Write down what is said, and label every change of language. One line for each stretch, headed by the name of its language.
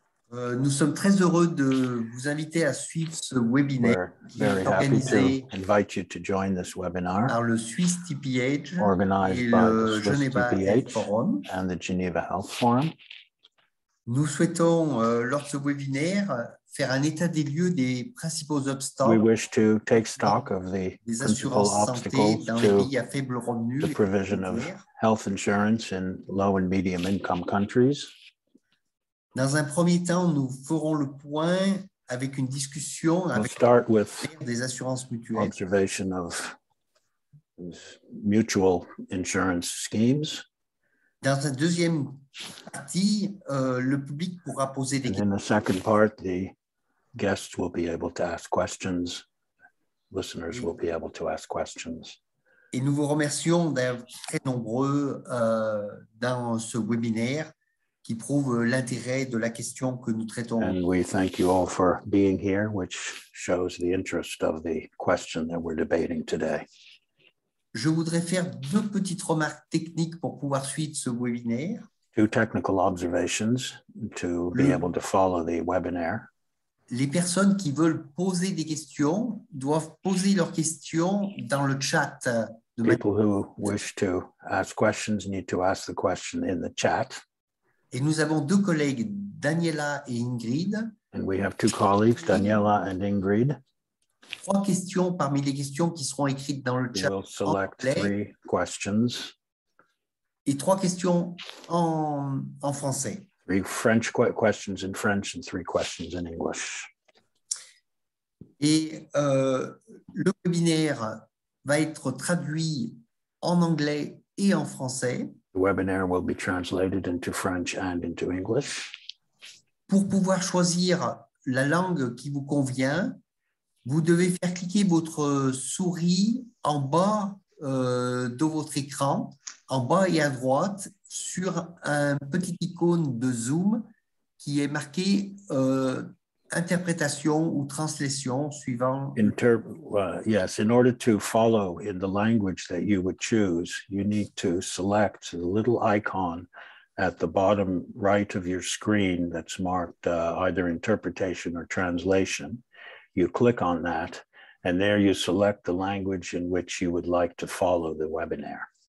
French: Nous sommes très heureux de vous inviter à suivre ce webinaire qui est organisé par le SwissTPH et le Geneva Health Forum.
English: And the Geneva Health Forum.
French: Nous souhaitons, lors de ce webinaire, faire un état des lieux des principaux obstacles.
English: We wish to take stock of the principal obstacles to the provision of health insurance in low and medium income countries.
French: Dans un premier temps, nous ferons le point avec une discussion des assurances mutuelles.
English: Observation of mutual insurance schemes.
French: Dans la deuxième partie, le public pourra poser des questions.
English: In the second part, the guests will be able to ask questions. Listeners will be able to ask questions.
French: Et nous vous remercions d'être très nombreux dans ce webinaire qui prouve l'intérêt de la question que nous traitons.
English: And we thank you all for being here, which shows the interest of the question that we're debating today.
French: Je voudrais faire deux petites remarques techniques pour pouvoir suivre ce webinaire.
English: Two technical observations to be able to follow the webinar.
French: Les personnes qui veulent poser des questions doivent poser leurs questions dans le chat.
English: People who wish to ask questions need to ask the question in the chat.
French: Et nous avons deux collègues, Daniela et Ingrid.
English: And we have two colleagues, Daniela and Ingrid.
French: Trois questions parmi les questions qui seront écrites dans le chat.
English: We'll select three questions.
French: Et trois questions en français.
English: Three French questions in French and three questions in English.
French: Et le webinaire va être traduit en anglais et en français.
English: The webinar will be translated into French and into English.
French: Pour pouvoir choisir la langue qui vous convient, vous devez faire cliquer votre souris en bas de votre écran, en bas et à droite, sur un petit icône de Zoom qui est marqué interprétation ou translation suivant.
English: In order to follow in the language that you would choose, you need to select the little icon at the bottom right of your screen that's marked either interpretation or translation. You click on that, and there you select the language in which you would like to follow the webinar.